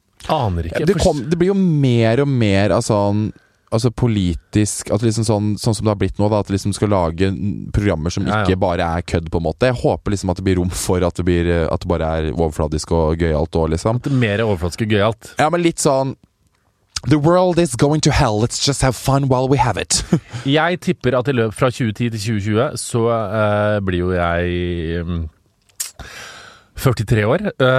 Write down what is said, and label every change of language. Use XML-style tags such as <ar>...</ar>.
<no>Aner ikke. Ja, det blir jo mer og mer av sånn altså politisk, at liksom sånn som det har blitt nå da, at liksom skal lage programmer som ikke bare kødd på en måte. Jeg håper liksom at det blir rom for at det blir at det bare overfladisk og gøyalt og liksom. At det mer overfladisk og gøyalt. Ja, men litt sånn</no> <en>The world is going to hell. Let's just have fun while we have it.</en> <no>Jeg tipper at I løpet fra 2010 til 2020 så blir jo jeg 43 år.</no>